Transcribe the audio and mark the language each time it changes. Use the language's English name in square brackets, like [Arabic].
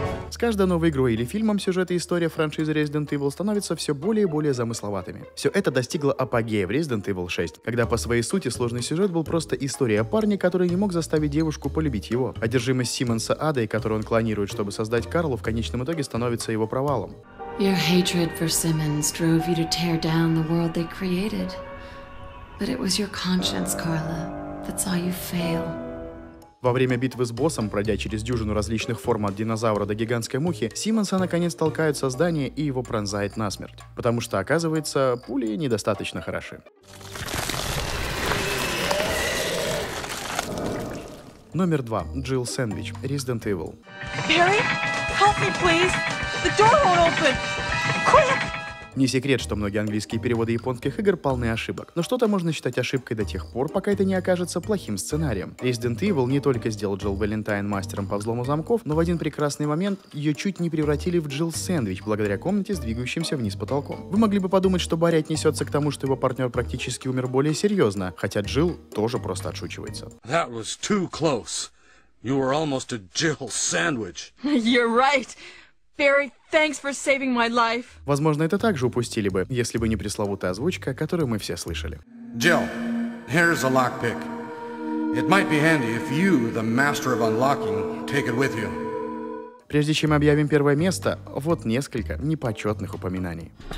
[Russian] С каждой новой игрой или фильмом сюжет и история франшизы Resident Evil становятся все более и более замысловатыми. Все это достигло апогея в Resident Evil 6, когда по своей сути сложный сюжет был просто историей о парне, который не мог заставить девушку полюбить его. Одержимость Симмонса Адой, которую он клонирует, чтобы создать Карлу, в конечном итоге становится его провалом. [English] Your hatred for Simmons drove you to tear down the world they created. But it was your conscience, Carla, that saw you fail. [Russian] Во время битвы с боссом, пройдя через дюжину различных форм от динозавра до гигантской мухи, Симмонса наконец толкают в создание и его пронзает насмерть. Потому что, оказывается, пули недостаточно хороши. [English] Номер 2. Jill Sandwich. Resident Evil. Barry, help me, please. The door won't open. Quick! [Russian] Не секрет, что многие английские переводы японских игр полны ошибок. Но что-то можно считать ошибкой до тех пор, пока это не окажется плохим сценарием. Resident Evil не только сделал Джилл Валентайн мастером по взлому замков, но в один прекрасный момент ее чуть не превратили в Джилл Сэндвич, благодаря комнате с двигающимся вниз потолком. Вы могли бы подумать, что Барри отнесется к тому, что его партнер практически умер более серьезно, хотя Джилл тоже просто отшучивается. [English] That was too close. You were almost a Jill sandwich. You're right. Barry, thanks for saving my life. [Russian] Возможно, это также упустили бы, если бы не пресловутая озвучка, которую мы все слышали. [English] Jill, here's a lockpick. It might be handy if you, the master of unlocking, take it with you. [Russian] Прежде чем объявим первое место, вот несколько непочетных упоминаний.